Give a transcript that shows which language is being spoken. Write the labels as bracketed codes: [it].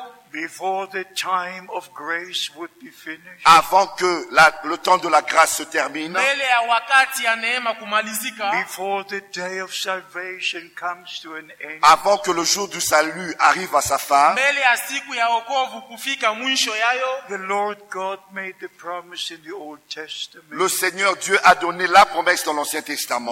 [en] Before the time of grace would be finished. [fr] Avant que le temps de la grâce se termine. [en] Before the day of salvation comes to an end. [fr] Avant que le jour du salut arrive à sa fin. [en] The Lord God made the promise in the Old Testament. [fr] Le Seigneur Dieu a donné la promesse dans l'Ancien Testament.